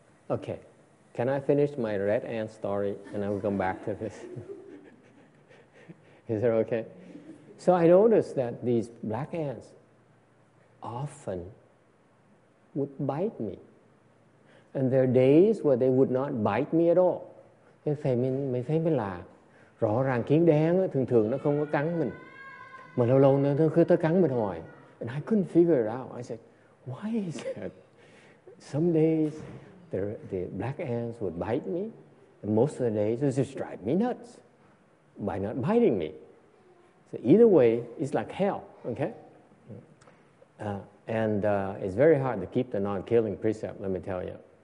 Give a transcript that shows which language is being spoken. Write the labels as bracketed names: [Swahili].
[English] Okay, can I finish my red ant story and I will come back to this? Is that okay? So I noticed that these black ants often would bite me. And there are days where they would not bite me at all. [Vietnamese] Thế thầy mới thấy mới lạ. Rõ ràng kiến đen thường thường nó không có cắn mình. Mà lâu lâu nó cứ tới cắn mình hoài. [English] And I couldn't figure it out. I said, why is that? Some days the black ants would bite me. And most of the days it just drive me nuts by not biting me. So either way, it's like hell, okay? And it's very hard to keep the non-killing precept, let me tell you.